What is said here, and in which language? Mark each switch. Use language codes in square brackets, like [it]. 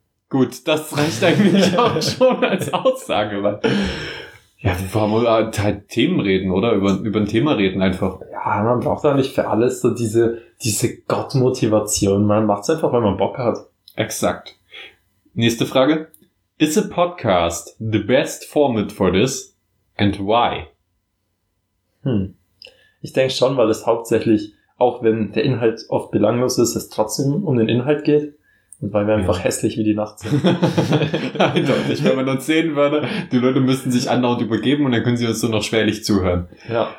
[de] Gut, das reicht eigentlich auch schon als Aussage. Mann. Ja, wir wollen über Themen reden, oder? Über ein Thema reden einfach. Ja, man braucht da nicht für alles so diese Gottmotivation. Man macht es einfach, weil man Bock hat. Exakt. Nächste Frage. [en] Is a podcast the best format for this and why? [de] Ich denke schon, weil es hauptsächlich, auch wenn der Inhalt oft belanglos ist, es trotzdem um den Inhalt geht. Und weil wir einfach hässlich wie die Nacht sind. Eindeutig, wenn man uns sehen würde, die Leute müssten sich andauernd übergeben und dann können sie uns so noch schwerlich zuhören. Ja.